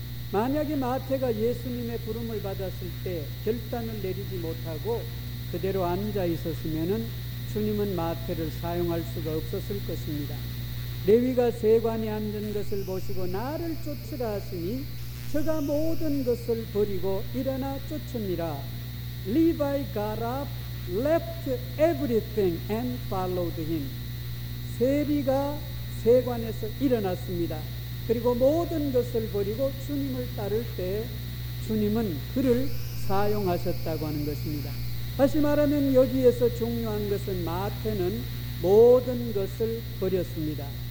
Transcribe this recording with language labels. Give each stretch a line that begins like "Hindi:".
Korean: 만약에 마태가 예수님의 부름을 받았을 때 결단을 내리지 못하고 그대로 앉아 있었으면은 주님은 마태를 사용할 수가 없었을 것입니다. 레위가 세관에 앉은 것을 보시고 나를 쫓으라 하시니 저가 모든 것을 버리고 일어나 쫓으니라.
English: Levi got up, left everything and followed him.
Korean: 세리가 세관에서 일어났습니다. 그리고 모든 것을 버리고 주님을 따를 때 주님은 그를 사용하셨다고 하는 것입니다. 다시 말하면 여기에서 중요한 것은 마태는 모든 것을 버렸습니다.